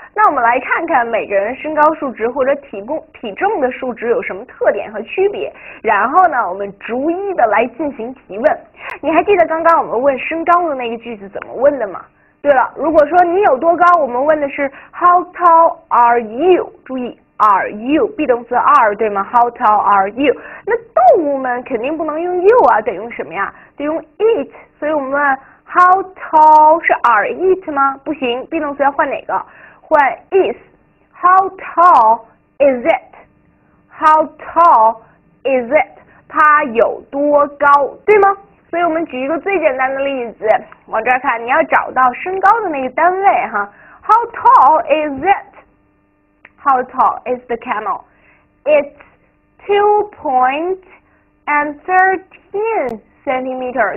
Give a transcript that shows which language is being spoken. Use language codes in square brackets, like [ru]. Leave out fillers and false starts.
[zh] 那我们来看看每个人身高数值或者体重的数值有什么特点和区别，然后呢，我们逐一的来进行提问。你还记得刚刚我们问身高的那个句子怎么问的吗？对了，如果说你有多高，我们问的是 [en] How tall are you？ [zh] 注意 [en] are you [zh] be 动词 are 对吗？ [en] How tall are you？ [zh] 那动物们肯定不能用 you 啊，得用什么呀？得用 it。所以我们问 [en] How tall [zh] 是 [en] are it [zh] 吗？不行，be 动词要换哪个？换 is。 [en] How tall is it？How tall is it？ [zh] 它有多高，对吗？所以我们举一个最简单的例子，往这儿看，你要找到身高的那个单位哈。 [en] How tall is it? How tall is the camel? It's 2.13 centimeter。